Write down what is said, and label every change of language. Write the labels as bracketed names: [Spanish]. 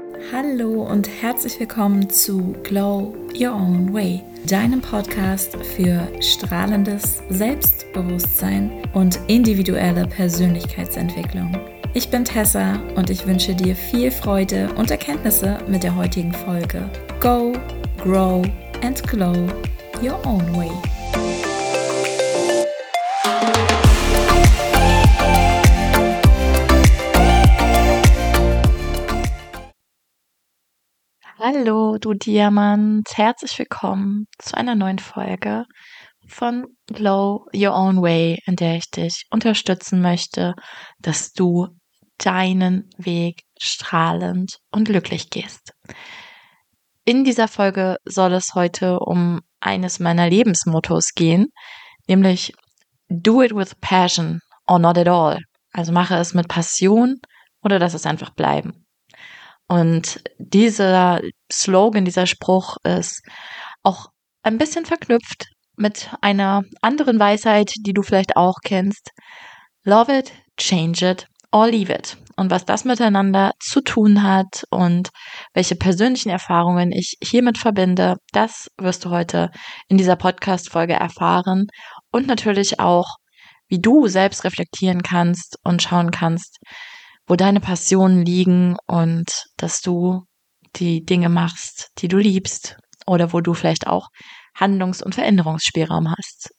[German] Hallo und herzlich willkommen zu Glow Your Own Way, deinem Podcast für strahlendes Selbstbewusstsein und individuelle Persönlichkeitsentwicklung. Ich bin Tessa und ich wünsche dir viel Freude und Erkenntnisse mit der heutigen Folge. [English] Go, grow and glow your own way. [German] Hallo, du Diamant, herzlich willkommen zu einer neuen Folge von Glow Your Own Way, in der ich dich unterstützen möchte, dass du deinen Weg strahlend und glücklich gehst. In dieser Folge soll es heute um eines meiner Lebensmottos gehen, nämlich [English] Do it with passion or not at all. [German] Also mache es mit Passion oder lass es einfach bleiben. Und dieser Slogan, dieser Spruch ist auch ein bisschen verknüpft mit einer anderen Weisheit, die du vielleicht auch kennst. [English] Love it, change it or leave it. [German] Und was das miteinander zu tun hat und welche persönlichen Erfahrungen ich hiermit verbinde, das wirst du heute in dieser Podcast-Folge erfahren. Und natürlich auch, wie du selbst reflektieren kannst und schauen kannst, wo deine Passionen liegen und dass du die Dinge machst, die du liebst oder wo du vielleicht auch Handlungs- und Veränderungsspielraum hast.